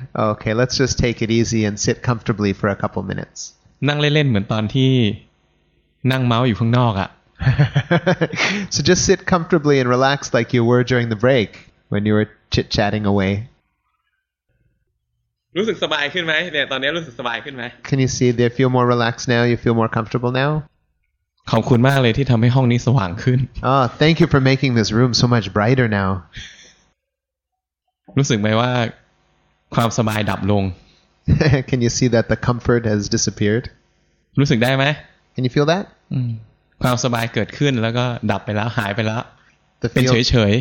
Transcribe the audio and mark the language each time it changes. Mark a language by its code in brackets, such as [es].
[en] Okay let's just take it easy and sit comfortably for a couple minutes [th] นั่งเล่นๆเหมือนตอนที่นั่งเมาอยู่ข้างนอกอ่ะ [en] So just sit comfortably and relax like you were during the break when you were chit-chatting away. [th] รู้สึกสบายขึ้นไหมเนี่ยตอนนี้รู้สึกสบายขึ้นไหม [en] Can you see they feel more relaxed now? You feel more comfortable now? [th] ขอบคุณมากเลยที่ทำให้ห้องนี้สว่างขึ้น [en] Oh, thank you for making this room so much brighter now. [th] รู้สึกไหมว่าความสบายดับลง [en] Can you see that the comfort has disappeared? [th] รู้สึกได้ไหม [en] Can you feel that? [th] ความสบายเกิดขึ้นแล้วก็ดับไปแล้วหายไปแล้วเป็นเฉย